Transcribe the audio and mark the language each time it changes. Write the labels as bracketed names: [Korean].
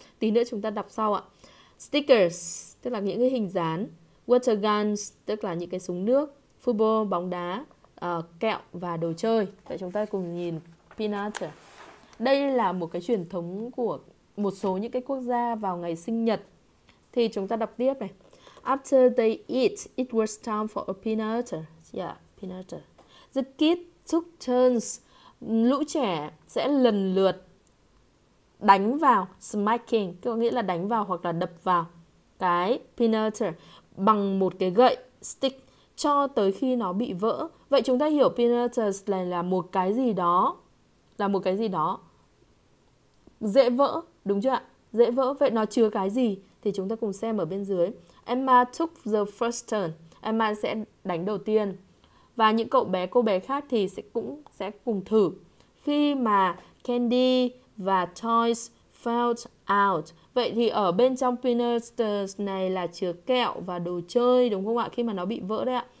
[Vietnamese] Tí nữa chúng ta đọc sau ạ. Stickers, tức là những cái hình dán. Water guns, tức là những cái súng nước. Football, bóng đá, kẹo và đồ chơi. Vậy chúng ta cùng nhìn pinata. Đây là một cái truyền thống của một số những cái quốc gia vào ngày sinh nhật. Thì chúng ta đọc tiếp này. [English] After they eat, it was time for a pinata. Yeah, pinata. The kids took turns. [Vietnamese] Lũ trẻ sẽ lần lượt đánh vào, smacking, có nghĩa là đánh vào hoặc là đập vào cái pinata bằng một cái gậy stick cho tới khi nó bị vỡ. Vậy chúng ta hiểu pinata là một cái gì đó, là một cái gì đó dễ vỡ, đúng chưa ạ? Dễ vỡ. Vậy nó chứa cái gì? Thì chúng ta cùng xem ở bên dưới. [English] Emma took the first turn. [Vietnamese] Emma sẽ đánh đầu tiên. Và những cậu bé, cô bé khác thì sẽ cũng sẽ cùng thử. Khi mà candy và [English] toys fell out. [Vietnamese] Vậy thì ở bên trong pinatas này là chứa kẹo và đồ chơi, đúng không ạ? Khi mà nó bị vỡ đấy ạ.